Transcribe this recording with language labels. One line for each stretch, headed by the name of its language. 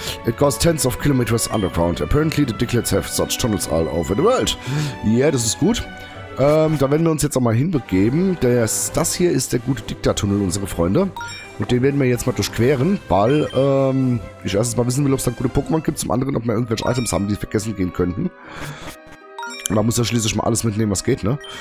English: It goes tens of kilometers underground. Apparently the Dicklets have such tunnels all over the world.
German: Yeah, das ist gut. Da werden wir uns jetzt auch mal hinbegeben. Das hier ist der gute Dicta-Tunnel, unsere Freunde. Und den werden wir jetzt mal durchqueren, weil ich erstens mal wissen will, ob es da gute Pokémon gibt. Zum anderen, ob wir irgendwelche Items haben, die vergessen gehen könnten. Man muss ja schließlich mal alles mitnehmen, was geht, ne?